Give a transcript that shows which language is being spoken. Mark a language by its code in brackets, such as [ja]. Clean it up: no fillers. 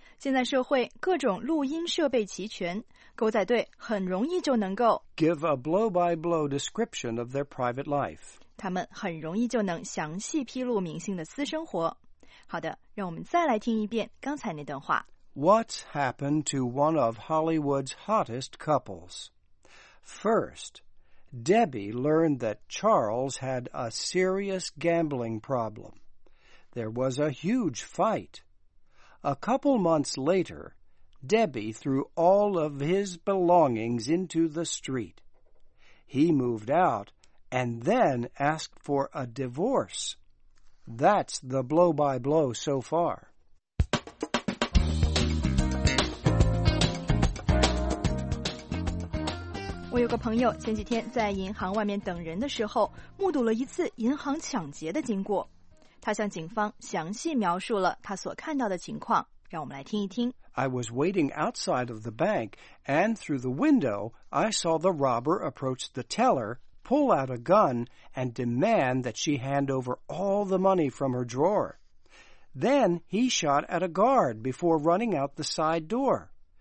[zh] 现在社会各种录音设备齐全，狗仔队很容易就能够 [en] give a blow-by-blow description of their private life. [zh] 他们很容易就能详细披露明星的私生活。好的，让我们再来听一遍刚才那段话。 [en] What's happened to one of Hollywood's hottest couples? First, Debbie learned that Charles had a serious gambling problem. There was a huge fight. A couple months later, Debbie threw all of his belongings into the street. He moved out and then asked for a divorce. That's the blow-by-blow so far. [zh] 我有个朋友前几天在银行外面等人的时候，目睹了一次银行抢劫的经过。他向警方详细描述了他所看到的情况，让我们来听一听。 [en] I was waiting outside of the bank, and through the window, I saw the robber approach the teller, pull out a gun, and demand that she hand over all the money from her drawer. Then he shot at a guard before running out the side door.